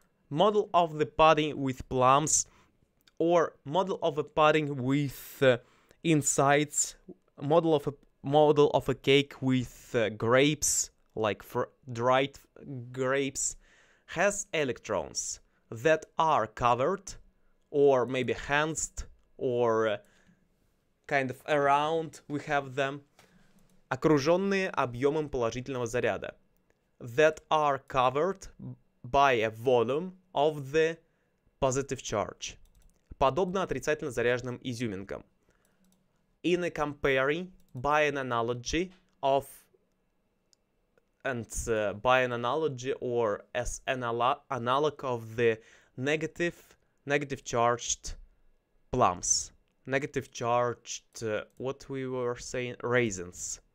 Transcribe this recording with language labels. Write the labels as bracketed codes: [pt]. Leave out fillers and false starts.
[en] Model of the pudding with plums, or model of a pudding with insides, model of a cake with grapes, like dried grapes, has electrons that are covered, or maybe hanged, or kind of around, we have them, [ru] окруженные объемом положительного заряда, [en] that are covered by a volume of the positive charge. [ru] Подобно отрицательно заряженным изюминкам. [en] In a comparing, by an analogy of, and by an analogy or as an analog of the negative charged plums. Negative charged, what we were saying, raisins.